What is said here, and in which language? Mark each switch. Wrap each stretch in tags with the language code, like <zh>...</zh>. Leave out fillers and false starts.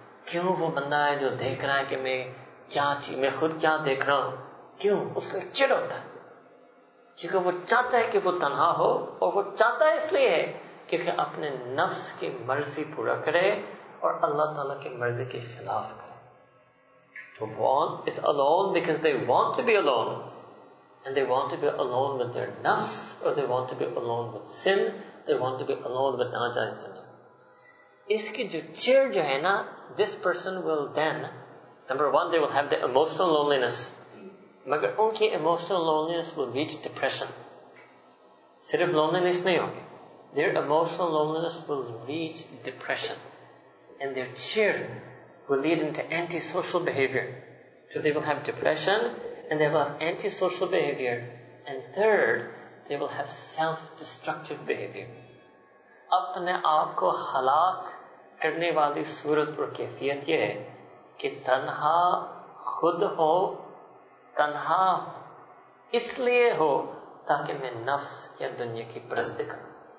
<ur>کیوں وہ بندہ ہے جو دیکھ رہا ہے کہ میں کیا چیز، میں خود کیا دیکھ رہا ہوں، کیوں؟ اس کو چڑ ہوتا ہے، کیونکہ وہ چاہتا ہے کہ وہ تنہا ہو، اور وہ چاہتا ہے اس لیے کیونکہ اپنے نفس کی مرضی پورا کرے اور اللہ تعالیٰ کی مرضی کے خلاف کرے.</ur> <en>تو want is alone because they want to be alone and they want to be alone with their nafs or they want to be alone with sin, they want to be alone with</en> <ur>ناجائز چیزیں. اس کی جو چیڑ جو ہے نا،</ur> <en>this person will then, number one, they will have the emotional loneliness.</en> <ur>مگر ان کی</ur> <en>emotional loneliness will lead to depression.</en> <ur>صرف</ur> <en>loneliness</en> <ur>نہیں ہوگی،</ur> <en>their emotional loneliness will reach depression and their cheer will lead into antisocial behavior. So they will have depression and they will have antisocial behavior, and third, they will have self-destructive behavior.</en> <ur>اپنے آپ کو ہلاک کرنے والی صورت اور کیفیت یہ ہے کہ تنہا خود ہو، تنہا اس لیے ہو تاکہ میں نفس یا دنیا کی پرست کروں.</ur>